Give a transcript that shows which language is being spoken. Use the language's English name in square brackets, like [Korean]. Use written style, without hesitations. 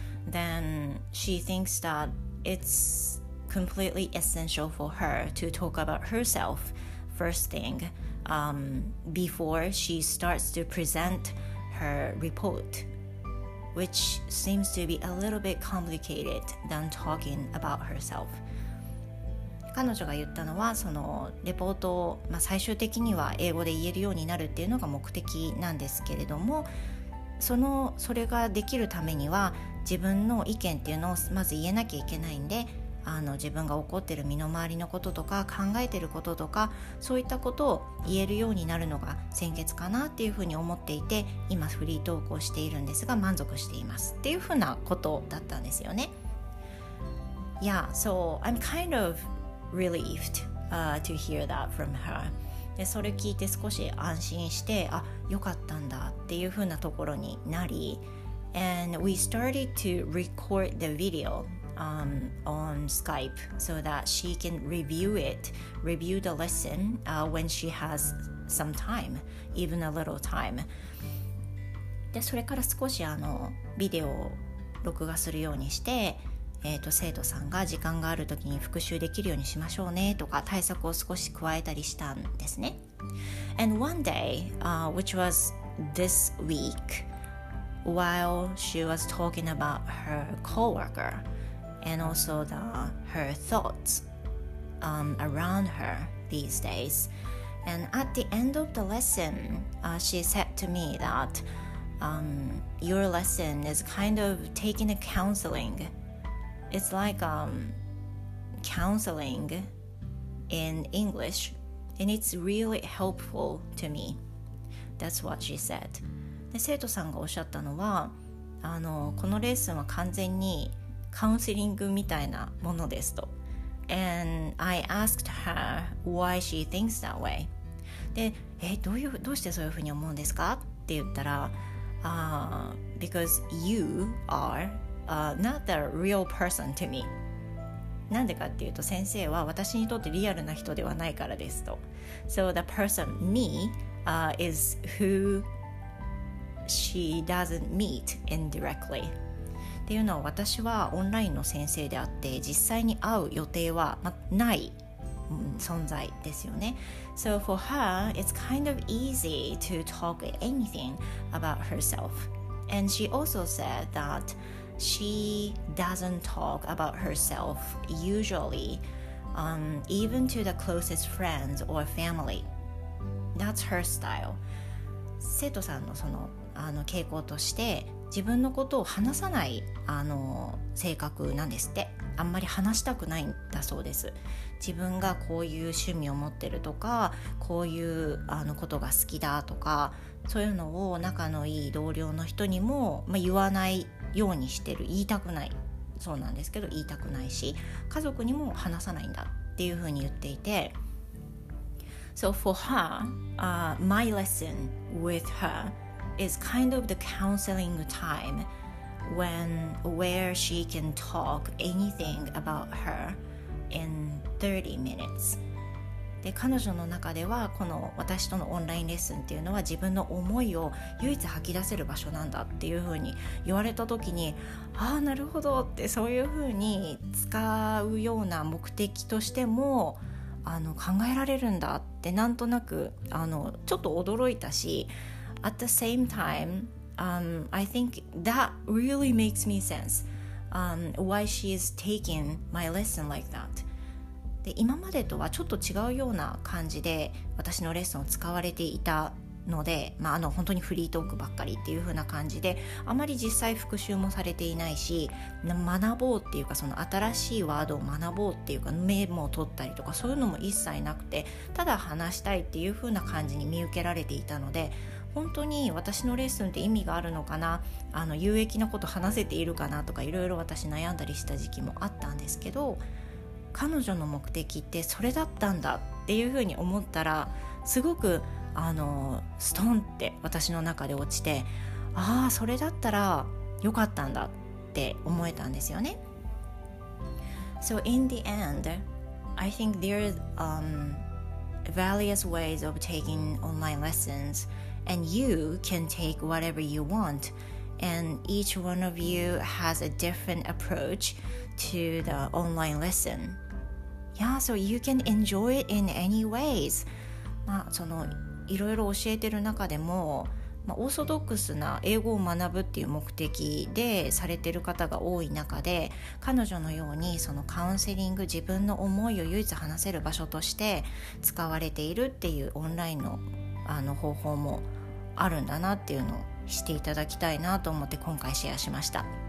[English] Then she thinks that it's completely essential for her to talk about herself first thing, before she starts to present her report. Which seems to be a little bit complicated than talking about herself. [Japanese] 彼女が言ったのはそのレポートを、最終的には英語で言えるようになるっていうのが目的なんですけれどもそれができるためには自分の意見っていうのをまず言えなきゃいけないんで自分が怒ってる身の回りのこととか考えてることとかそういったことを言えるようになるのが先決かなっていうふうに思っていて今フリートークをしているんですが満足していますっていうふうなことだったんですよね。 [English] Yeah, so I'm kind of relieved, to hear that from her. [Japanese] でそれ聞いて少し安心してあ、よかったんだっていうふうなところになり [English] And we started to record the videoon Skype so that she can review the lesson、when she has some time, even a little time. [Japanese] で、それから少しビデオを録画するようにして、生徒さんが時間があるときに復習できるようにしましょうねとか対策を少し加えたりしたんですね。 [English] And one day,、which was this week, while she was talking about her coworkerAnd also her thoughts、around her these days. And at the end of the lesson,、she said to me that、your lesson is kind of taking a counseling. It's like、counseling in English, and it's really helpful to me. That's what she said. [Japanese] で、生徒さんがおっしゃったのは、このレッスンは完全にカウンセリングみたいなものですと。 [English] And I asked her why she thinks that way. [Japanese] で、どうしてそういうふうに思うんですかって言ったら、 [English] Because you are、not the real person to me. [Japanese] なんでかっていうと先生は私にとってリアルな人ではないからですと。 [English] So the person me、is who she doesn't meet indirectly. [Japanese] っていうのは私はオンラインの先生であって実際に会う予定はない存在ですよね。 [English] So for her, it's kind of easy to talk anything about herself. And she also said that she doesn't talk about herself usually, even to the closest friends or family. That's her style. [Japanese] 生徒さんのその、あの傾向として自分のことを話さない、あの性格なんですって。あんまり話したくないんだそうです。自分がこういう趣味を持ってるとか、こういうあのことが好きだとか、そういうのを仲のいい同僚の人にも、まあ、言わないようにしてる。言いたくない。そうなんですけど、言いたくないし、家族にも話さないんだっていうふうに言っていて。 [English] So for her, my lesson with her is kind of the counseling time where she can talk anything about her in 30 minutes. [Japanese] で、彼女の中ではこの私とのオンラインレッスンっていうのは自分の思いを唯一吐き出せる場所なんだっていうふうに言われた時に、ああなるほどって、そういうふうに使うような目的としてもあの考えられるんだって、なんとなくあのちょっと驚いたし、 [English] at the same timeI think that really makes me sense, why she is taking my lesson like that. [Japanese] で、今までとはちょっと違うような感じで私のレッスンを使われていたので、まあ、あの本当にフリートークばっかりっていう風な感じで、あまり実際復習もされていないし、学ぼうっていうか、その新しいワードを学ぼうっていうか、メモを取ったりとかそういうのも一切なくて、ただ話したいっていう風な感じに見受けられていたので、本当に私のレッスンって意味があるのかな、あの有益なこと話せているかなとか、いろいろ私悩んだりした時期もあったんですけど、彼女の目的ってそれだったんだっていうふうに思ったら、すごくあのストンって私の中で落ちて、ああそれだったらよかったんだって思えたんですよね。 [English] So in the end, I think there are various ways of taking online lessonsAnd you can take whatever you want. And each one of you has a different approach to the online lesson. Yeah, so you can enjoy it in any ways. [Japanese] まあ、そのいろいろ教えてる中でも、まあ、オーソドックスな英語を学ぶっていう目的でされてる方が多い中で、彼女のようにそのカウンセリング、自分の思いを唯一話せる場所として使われているっていうオンラインのあの方法もあるんだなっていうのをしていただきたいなと思って今回シェアしました。